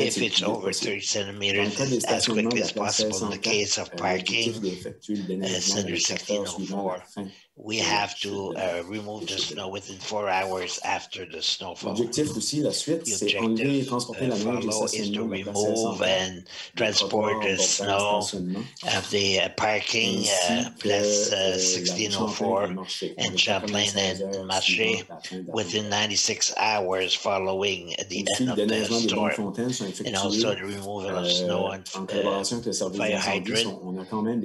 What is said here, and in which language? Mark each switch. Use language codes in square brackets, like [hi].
[en] if it's over 30 centimeters, as quickly as possible in the case of parking, under 1604, we have to remove the snow within 4 hours after the snowfall. [fr] L'objectif aussi, la suite, c'est enlever et transporter la neige au stationnement. [en] To remove and transport the snow of the parking place 1604 and Champlain and Marché within 96 hours following the end of the and also the removal of snow and fire hydrant